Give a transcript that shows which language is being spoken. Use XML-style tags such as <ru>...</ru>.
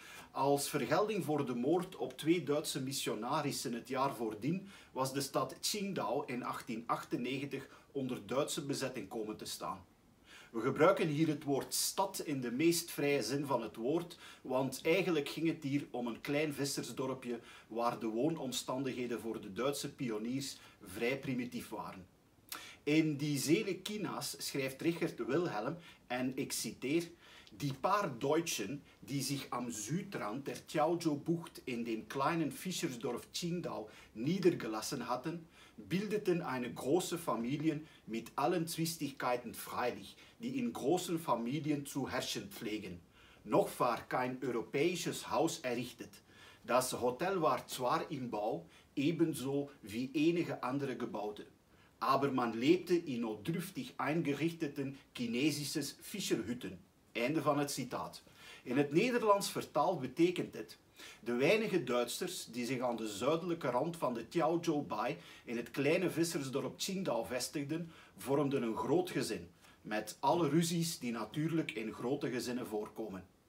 <nl>Als vergelding voor de moord op twee Duitse missionarissen het jaar voordien was de stad Qingdao in 1898 onder Duitse bezetting komen te staan. We gebruiken hier het woord stad in de meest vrije zin van het woord, want eigenlijk ging het hier om een klein vissersdorpje waar de woonomstandigheden voor de Duitse pioniers vrij primitief waren. In Die Seele Chinas schrijft Richard Wilhelm, en ik citeer,</nl> <de>die paar Deutschen, die zich am Südrand der Tiaozhou-bucht in dem kleinen Fischersdorf Qingdao niedergelassen hatten, bildeten eine große Familie mit allen Zwistigkeiten freilich, die in großen Familien zu herrschen pflegen. Noch war kein europäisches Haus errichtet. Das Hotel war zwar im Bau, ebenso wie einige andere Gebäude. Aber man lebte in notdürftig eingerichteten chinesisches Fischerhütten.</de> <nl>Einde van het citaat. In het Nederlands vertaald betekent dit: de weinige Duitsers die zich aan de zuidelijke rand van de Tiaozhou-baai in het kleine vissersdorp Qingdao vestigden, vormden een groot gezin, met alle ruzies die natuurlijk in grote gezinnen voorkomen.</nl>